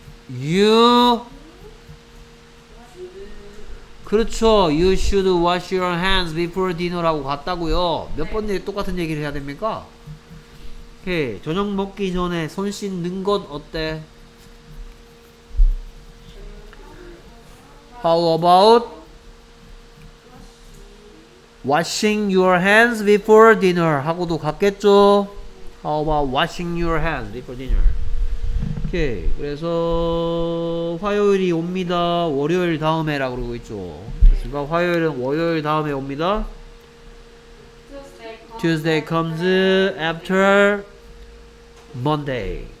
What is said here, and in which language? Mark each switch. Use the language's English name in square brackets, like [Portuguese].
[Korean] You 그렇죠. [English] You should wash your hands before dinner라고 [Korean] 같다고요. 몇 번 내 똑같은 얘기를 해야 됩니까? 오케이. 저녁 먹기 전에 손 씻는 것 어때? [English] How about washing your hands before dinner [Korean] 하고도 같겠죠? [English] How about washing your hands before dinner? 오케이. [Korean] 그래서 화요일이 옵니다. 월요일 다음에라고 그러고 있죠. 그러니까 화요일은 월요일 다음에 옵니다. [English] Tuesday comes after Monday.